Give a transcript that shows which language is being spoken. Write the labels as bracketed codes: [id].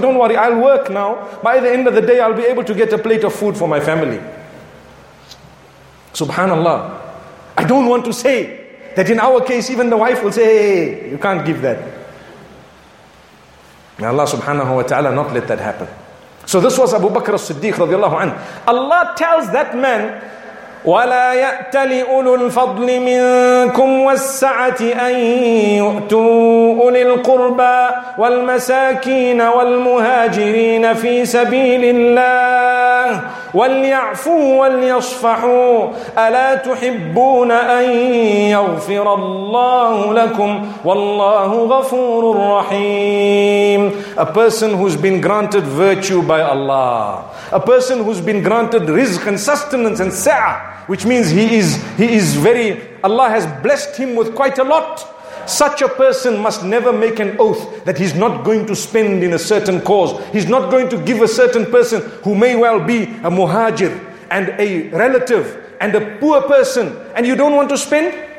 [en] Don't worry, I'll work now. By the end of the day, I'll be able to get a plate of food for my family. Subhanallah. I don't want to say that in our case, even the wife will say, hey, you can't give that. May Allah subhanahu wa ta'ala not let that happen. So this was Abu Bakr as-Siddiq radiallahu anhu. Allah tells that man, [ar] وَلَا يَأْتَلِ أُولُو الْفَضْلِ مِنْكُمْ وَالسَّعَةِ أَنْ يُؤْتُوا أُولِي الْقُرْبَى وَالْمَسَاكِينَ وَالْمُهَاجِرِينَ فِي سَبِيلِ اللَّهِ وَلْيَعْفُوا وَلْيَصْفَحُوا أَلَا تُحِبُّونَ أَنْ يَغْفِرَ اللَّهُ لَكُمْ وَاللَّهُ غَفُورٌ رَحِيمٌ [en] A person who's been granted virtue by Allah. A person who's been granted rizq and sustenance and sa'ah, which means he is very, Allah has blessed him with quite a lot. Such a person must never make an oath that he's not going to spend in a certain cause. He's not going to give a certain person who may well be a muhajir and a relative and a poor person, and you don't want to spend.